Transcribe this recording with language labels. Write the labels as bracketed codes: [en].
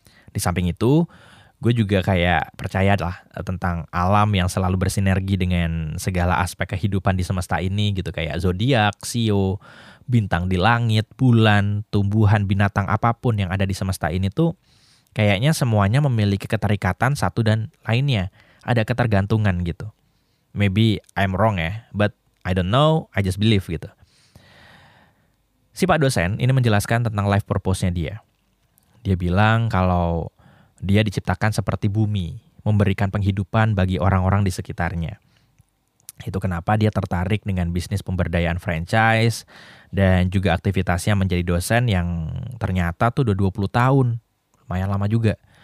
[id] Di samping itu, gue juga kayak percaya lah tentang alam yang selalu bersinergi dengan segala aspek kehidupan di semesta ini gitu. Kayak zodiak, sio, bintang di langit, bulan, tumbuhan, binatang apapun yang ada di semesta ini tuh kayaknya semuanya memiliki keterikatan satu dan lainnya. Ada ketergantungan gitu. [en] Maybe I'm wrong ya, but I don't know, I just believe gitu. [id] Si Pak dosen ini menjelaskan tentang life purpose-nya dia. Dia bilang kalau dia diciptakan seperti bumi, memberikan penghidupan bagi orang-orang di sekitarnya. Itu kenapa dia tertarik dengan bisnis pemberdayaan franchise dan juga aktivitasnya menjadi dosen yang ternyata tuh udah 20 tahun. Lumayan lama juga.